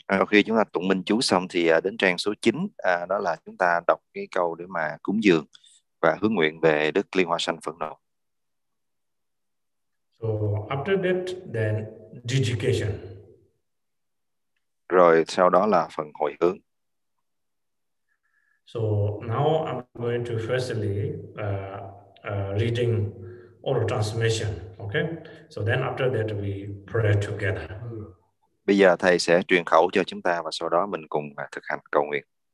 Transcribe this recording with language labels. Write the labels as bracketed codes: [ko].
[vi] Khi chúng ta tụng minh chú xong thì đến trang số 9, đó là chúng ta đọc cái câu để mà cúng dường và hướng nguyện về Đức Liên Hoa Sanh Phật Độ. [en] So after that, then dedication. [vi] Rồi sau đó là phần hồi hướng. [en] So now I'm going to firstly reading all transmission, okay? So then after that we pray together. [vi] Bây giờ thầy sẽ truyền khẩu cho chúng ta và sau đó mình cùng thực hành cầu nguyện.